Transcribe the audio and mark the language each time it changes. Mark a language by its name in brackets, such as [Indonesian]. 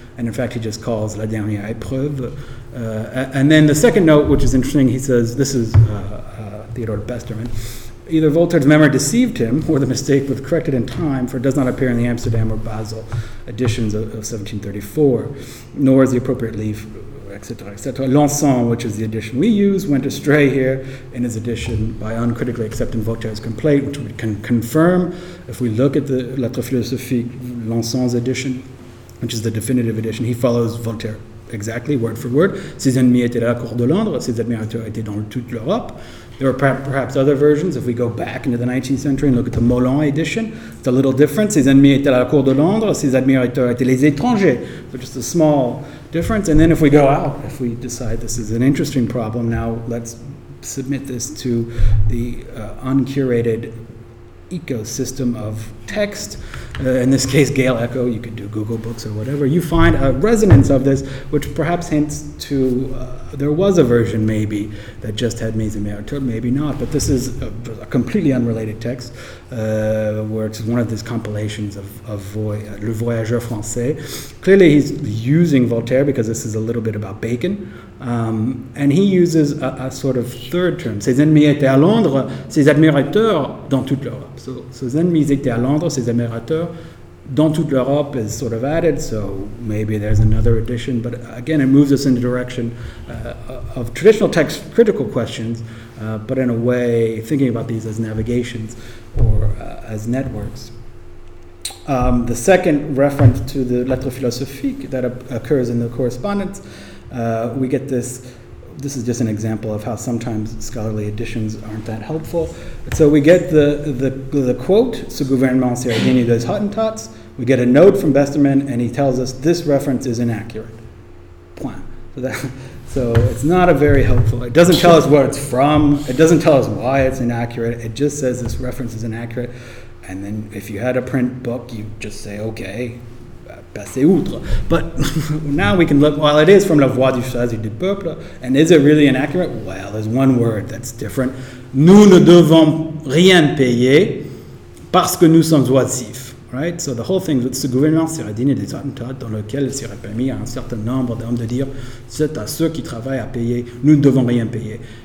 [English] And in fact, he just calls La Dernière Épreuve. And then the second note, which is interesting, he says, this is Theodore Besterman, "Either Voltaire's memory deceived him, or the mistake was corrected in time, for it does not appear in the Amsterdam or Basel editions of 1734, nor is the appropriate leaf, etc., etc. L'Ensemble, which is the edition we use, went astray here in his edition by uncritically accepting Voltaire's complaint," which we can confirm if we look at the Lettres Philosophiques, L'Ensemble's edition, which is the definitive edition. He follows Voltaire exactly, word for word. [French] "Ses ennemis étaient à la cour de Londres, ses admirateurs étaient dans toute l'Europe." [English] There are perhaps other versions. If we go back into the 19th century and look at the Molon edition, it's a little different. [French] "Ses ennemis étaient à la cour de Londres, ses admirateurs étaient les étrangers." [English] So just a small difference. And then if we go out, if we decide this is an interesting problem, now let's submit this to the uncurated ecosystem of text, in this case Gale Echo, you could do Google Books or whatever, you find a resonance of this, which perhaps hints to there was a version maybe that just had Mesa-Mayor, maybe not, but this is a completely unrelated text, where it's one of these compilations of Le Voyageur Français. Clearly he's using Voltaire because this is a little bit about Bacon, and he uses a sort of third term. [French] Ses ennemis étaient à Londres, ses admirateurs dans toute l'Europe. [English] So [French] ses ennemis étaient à Londres, ses admirateurs dans toute l'Europe [English] is sort of added, so maybe there's another addition. But again, it moves us in the direction of traditional text critical questions, but in a way thinking about these as navigations or as networks. The second reference to the lettre philosophique that occurs in the correspondence, we get this. This is just an example of how sometimes scholarly editions aren't that helpful. So we get the quote, [French] ce gouvernement c'est digne des Hottentots. [English] We get a note from Besterman, and he tells us this reference is inaccurate. Point. So it's not a very helpful. It doesn't tell us where it's from. It doesn't tell us why it's inaccurate. It just says this reference is inaccurate. And then if you had a print book, you just say, okay, [French] passer outre. [English] But now we can look, while it is from La Voix du Choisir du Peuple, and is it really inaccurate? Well, there's one word that's different. [French] Nous ne devons rien payer parce que nous sommes oisifs. [English] Right? So the whole thing, [French] ce gouvernement serait digne des attentats dans lequel il serait permis à un certain nombre d'hommes de dire c'est à ceux qui travaillent à payer, nous ne devons rien payer.